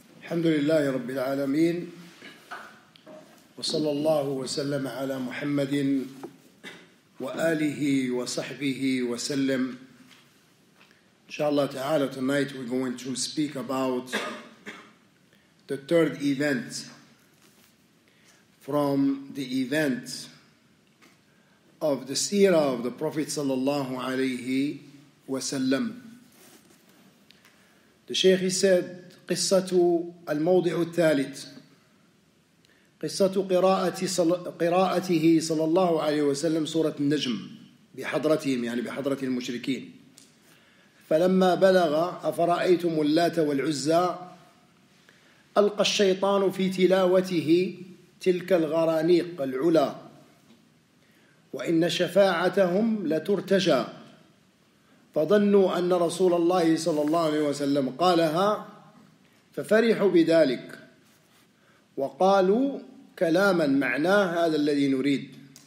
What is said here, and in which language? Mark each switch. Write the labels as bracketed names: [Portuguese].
[Arabic] الحمد لله رب العالمين وصلى الله وسلم على محمد وآله وصحبه وسلم. إن شاء الله تعالى [English] tonight we're going to speak about the third event from the event of the seerah of the Prophet [Arabic] صلى الله عليه وسلم. [English] The Sheikh said [Arabic] قصة الموضع الثالث قصة قراءته صلى الله عليه وسلم سورة النجم بحضرتهم يعني بحضرة المشركين. فلما بلغ أفرأيتم اللات والعزى ألقى الشيطان في تلاوته تلك الغرانيق العلا وإن شفاعتهم لترتجى فظنوا أن رسول الله صلى الله عليه وسلم قالها ففرحوا بذلك وقالوا كلاما معناه هذا الذي نريد.